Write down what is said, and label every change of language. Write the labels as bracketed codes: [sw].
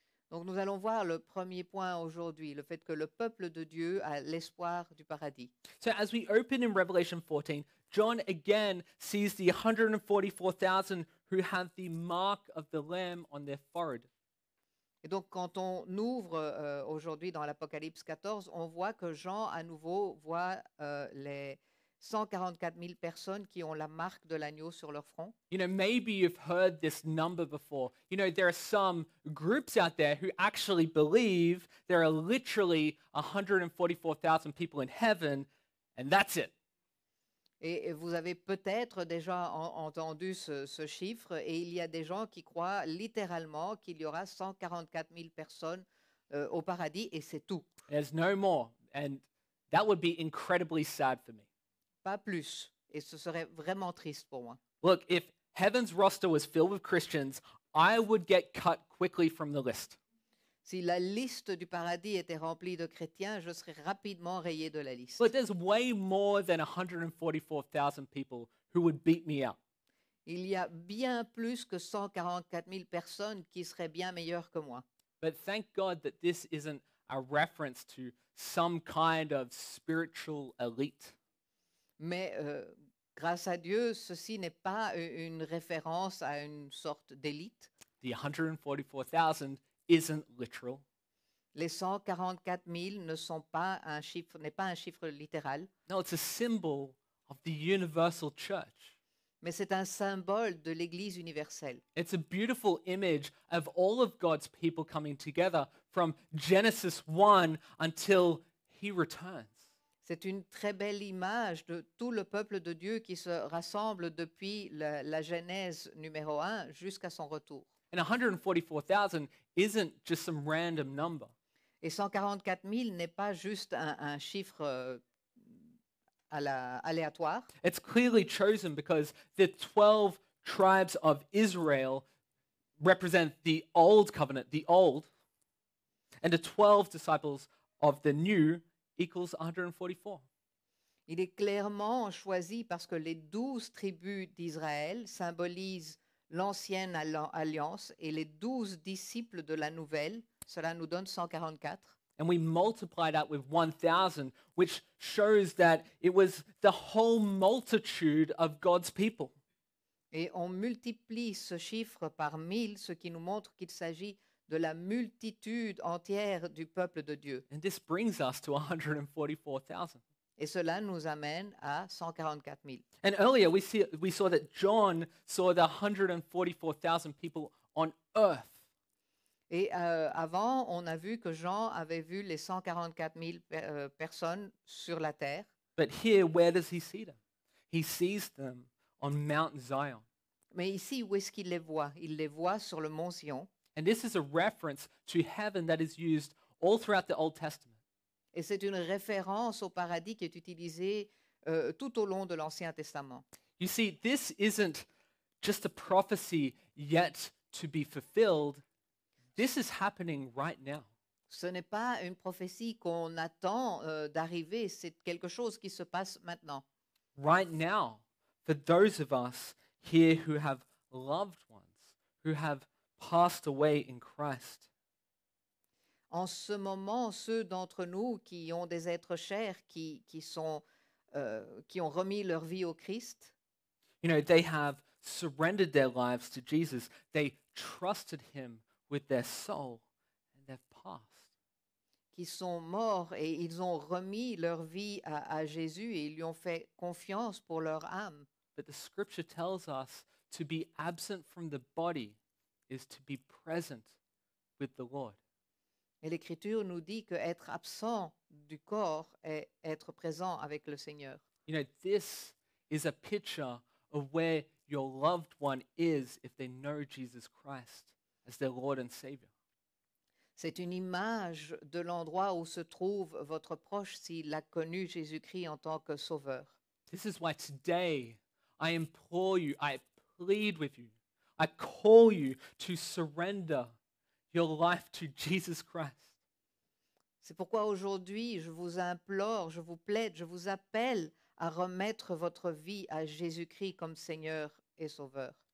[fr] Donc nous allons voir le premier point aujourd'hui, le fait que le peuple de Dieu a l'espoir du paradis. [en] So as we open in Revelation 14, John again sees the 144,000 who have the mark of the Lamb on their forehead. [fr] Et donc quand on ouvre aujourd'hui dans l'Apocalypse 14, on voit que Jean à nouveau voit les 144 000 personnes qui ont la marque de l'agneau sur leur front. [en] You know, maybe you've heard this number before. You know, there are some groups out there who actually believe there are literally 144,000 people in heaven, and that's it. [fr] Et vous avez peut-être déjà entendu ce chiffre, et il y a des gens qui croient littéralement qu'il y aura 144 000 personnes au paradis, et c'est tout. [en] There's no more, and that would be incredibly sad for me. [fr] Pas plus, et ce serait vraiment triste pour moi. [en] Look, if heaven's roster was filled with Christians, I would get cut quickly from the list. [fr] Si la liste du paradis était remplie de chrétiens, je serais rapidement rayé de la liste. [en] But there's way more than 144,000 people who would beat me up. [fr] Il y a bien plus que 144 000 personnes qui seraient bien meilleures que moi. [en] But thank God that this isn't a reference to some kind of spiritual elite. [fr] Mais grâce à Dieu, ceci n'est pas une référence à une sorte d'élite. [en] The 144,000 isn't literal. [fr] Les 144 000 ne sont pas un chiffre, n'est pas un chiffre littéral. [en] No, it's a symbol of the universal church. [fr] Mais c'est un symbole de l'Église universelle. [en] It's a beautiful image of all of God's people coming together from Genesis 1 until he returns. [fr] C'est une très belle image de tout le peuple de Dieu qui se rassemble depuis la Genèse numéro 1 jusqu'à son retour. [en] And 144,000 isn't just some random number. [fr] Et 144 000 n'est pas juste un chiffre aléatoire. [en] It's clearly chosen because the 12 tribes of Israel represent the old covenant, the old, and the 12 disciples of the new equals 144. [fr] Il est clairement choisi parce que les 12 tribus d'Israël symbolisent l'ancienne alliance et les 12 disciples de la nouvelle, cela nous donne 144. [en] And we multiply that with 1,000, which shows that it was the whole multitude of God's people. [fr] Et on multiplie ce chiffre par 1,000, ce qui nous montre qu'il s'agit de la multitude entière du peuple de Dieu. [en] And this brings us to 144,000. [fr] Et cela nous amène à 144 000. [en] And earlier we saw that John saw the 144,000 people on earth. [fr] Et avant, on a vu que Jean avait vu les 144 000 personnes sur la terre. [en] But here, where does he see them? He sees them on Mount Zion. [fr] Mais ici, où est-ce qu'il les voit? Il les voit sur le mont Sion. [en] And this is a reference to heaven that is used all throughout the Old Testament. [fr] Et c'est une référence au paradis qui est utilisée tout au long de l'Ancien Testament. [en] You see, this isn't just a prophecy yet to be fulfilled. This is happening right now. [fr] Ce n'est pas une prophétie qu'on attend d'arriver. C'est quelque chose qui se passe maintenant. [en] Right now, for those of us here who have loved ones, who have passed away in Christ. [fr] En ce moment, ceux d'entre nous qui ont des êtres chers qui ont remis leur vie au Christ. [en] You know, they have surrendered their lives to Jesus. They trusted him with their soul and they've passed. [fr] qui sont morts et ils ont remis leur vie à Jésus et ils lui ont fait confiance pour leur âme. [en] But the scripture tells us to be absent from the body is to be present with the Lord. [fr] Et l'écriture nous dit que être absent du corps est être présent avec le Seigneur. [en] You know, this is a picture of where your loved one is if they know Jesus Christ as their Lord and Savior. [fr] C'est une image de l'endroit où se trouve votre proche s'il a connu Jésus-Christ en tant que sauveur. [en] This is why today I implore you, I plead with you, I call you to surrender your life to Jesus Christ. [fr] C'est pourquoi aujourd'hui je vous implore, je vous plaide, je vous appelle à remettre votre vie à Jésus-Christ comme Seigneur et Sauveur.